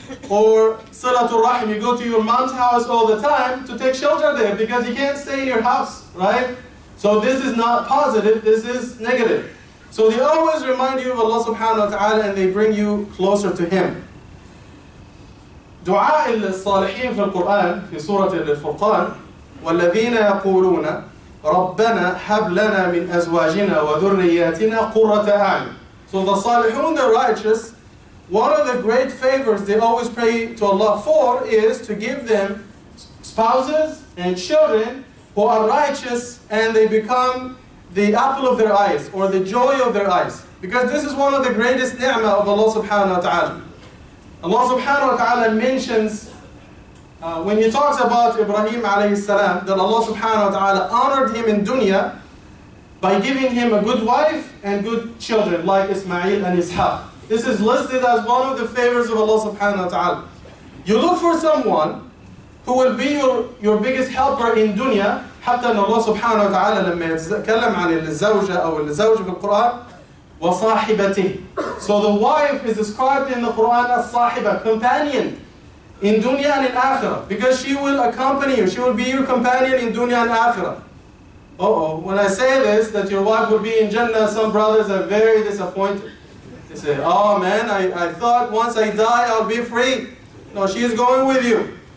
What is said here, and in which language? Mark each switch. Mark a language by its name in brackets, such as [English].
[English] Or salatul rahim, you go to your mom's house all the time to take shelter there, because you can't stay in your house, right? So this is not positive, this is negative. So they always remind you of Allah subhanahu wa ta'ala, and they bring you closer to Him. [Arabic] Dua al-salihin fi al-Qur'an, fi surah al-Furqan, وَالَّذِينَ يَقُولُونَ رَبَّنَا هَبْ لَنَا مِنْ أَزْوَاجِنَا وَذُرِّيَّاتِنَا قُرَّةَ أَعْيُنٍ. [English] So the salihun, the righteous, one of the great favors they always pray to Allah for is to give them spouses and children who are righteous, and they become the apple of their eyes, or the joy of their eyes. Because this is one of the greatest ni'mah of Allah subhanahu wa ta'ala. Allah subhanahu wa ta'ala mentions, when he talks about Ibrahim alayhi salam, that Allah subhanahu wa ta'ala honored him in dunya by giving him a good wife and good children, like Ismail and Ishaq. This is listed as one of the favors of Allah subhanahu wa ta'ala. You look for someone who will be your biggest helper in dunya. [Arabic] حتى أن الله سبحانه وتعالى لما يتكلم عن الزوجة أو الزوجة في القرآن وصاحبته. [English] So the wife is described in the Quran as صاحبة, companion in dunya and in akhirah, because she will accompany you, she will be your companion in dunya and akhirah. When I say this, that your wife will be in Jannah, some brothers are very disappointed. They say, oh man, I thought once I die I'll be free. No, she is going with you.